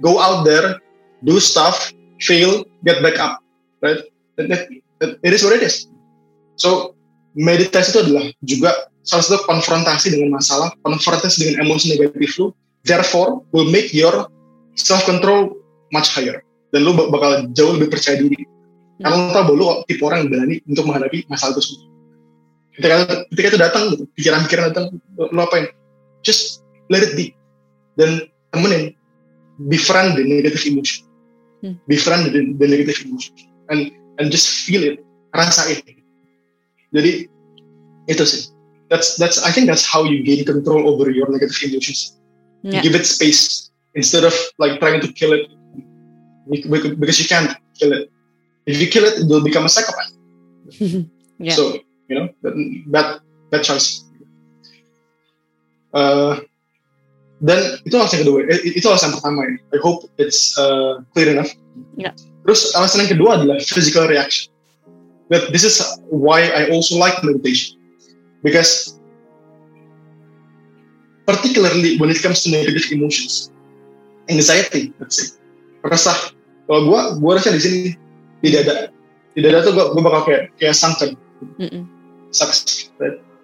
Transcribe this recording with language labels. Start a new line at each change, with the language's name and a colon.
English: Go out there, do stuff, fail, get back up. Right? It is what it is.
Indonesian: So, meditasi itu adalah juga salah satu konfrontasi dengan masalah, konfrontasi dengan emosi negatif lu,
English: therefore, will make your self-control much higher.
Indonesian: Dan lu bakal jauh lebih percaya diri. Karena lu tau bahwa lu tipe orang yang berani untuk menghadapi masalah itu semua. Ketika itu datang, pikiran-pikiran datang, lu apain?
English: Just let it be.
Indonesian: Dan temenin,
English: befriend the negative emotion. Befriend the negative emotion. And just feel it,
Indonesian: rasain. Jadi, itu sih.
English: I think that's how you gain control over your negative emotions. Yeah. You give it space. Instead of like trying to kill it. Because you can't kill it. If you kill it, it will become a psychopath. Yeah. So, you know, bad choice.
Indonesian: Dan itu alasan kedua, itu alasan pertama ya.
English: I hope it's clear enough. Yeah.
Indonesian: Terus alasan yang kedua adalah
English: physical reaction. But this is why I also like meditation. Because particularly when it comes to negative emotions, anxiety, let's say, resah.
Indonesian: Kalau gue rasa di sini tidak ada. Tidak ada tuh gue bakal kayak sangkan.
English: Sucks. Right?